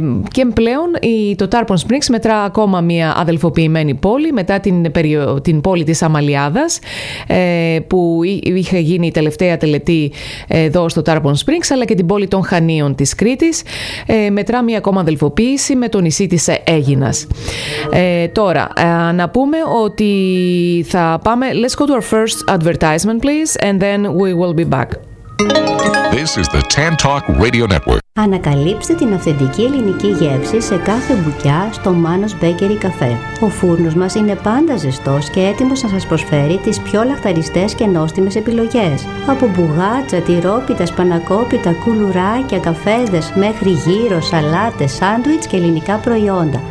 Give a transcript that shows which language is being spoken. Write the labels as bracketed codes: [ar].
[el] Και πλέον το Tarpon Springs μετρά ακόμα μια αδελφοποιημένη πόλη μετά την πόλη της Αμαλιάδας, που είχε γίνει η τελευταία τελετή εδώ στο Tarpon Springs, αλλά και την πόλη των Χανίων της Κρήτης. Μετρά μια ακόμα αδελφοποίηση με το νησί της Αίγινας. Τώρα, να πούμε ότι θα πάμε. [en] Let's go to our first advertisement, please, and then we will be back. This is the TAN Talk Radio Network. [el] Ανακαλύψτε την αυθεντική ελληνική γεύση σε κάθε μπουκιά στο Manos Bakery Cafe. Ο φούρνος μας είναι πάντα ζεστός και έτοιμος να σας προσφέρει τις πιο λαχταριστές και νόστιμες επιλογές. Από μπουγάτσα, τυρόπιτα, σπανακόπιτα, κουλουράκια, καφέδες, μέχρι γύρω, σαλάτες, σάντουιτς και ελληνικά προϊόντα.